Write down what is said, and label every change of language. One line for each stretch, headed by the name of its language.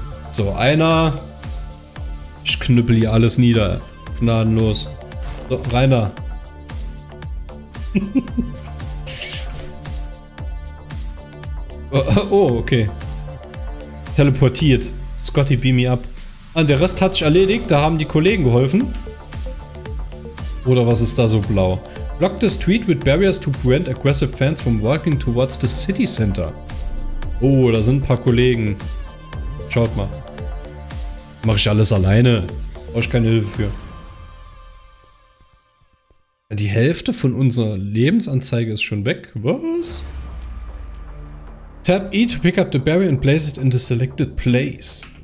German: So, einer. Ich knüppel hier alles nieder. Gnadenlos. So, Rainer. Oh, okay. Teleportiert.
English: Scotty, beam me up.
German: Und der Rest hat sich erledigt, da haben die Kollegen geholfen. Oder was ist da so blau?
English: Block the street with barriers to prevent aggressive fans from walking towards the city center.
German: Oh, da sind ein paar Kollegen. Schaut mal. Mach ich alles alleine. Brauch ich keine Hilfe für. Die Hälfte von unserer Lebensanzeige ist schon weg. Was?
English: Tap E to pick up the berry and place it in the selected place.